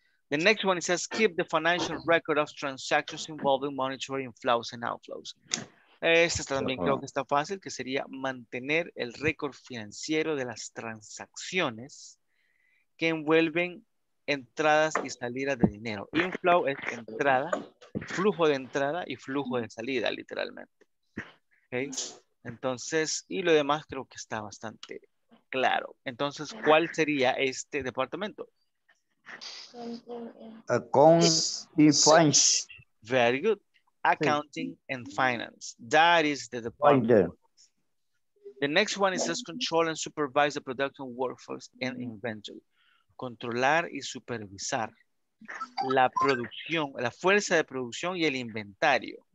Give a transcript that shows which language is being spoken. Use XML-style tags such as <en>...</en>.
<en>The next one, it says, keep the financial record of transactions involving monetary inflows and outflows.</en> <es>Este también creo que está fácil, que sería mantener el récord financiero de las transacciones que envuelven entradas y salidas de dinero. Inflow es entrada, flujo de entrada y flujo de salida, literalmente. ¿Okay? Entonces, y lo demás creo que está bastante claro. Entonces, ¿cuál sería este departamento?</es> <en>Accounts and Finance. Very good. Accounting and Finance. That is the department. The next one is just control and supervise the production workforce and inventory.</en> <es>Controlar y supervisar la producción, la fuerza de producción y el inventario.</es>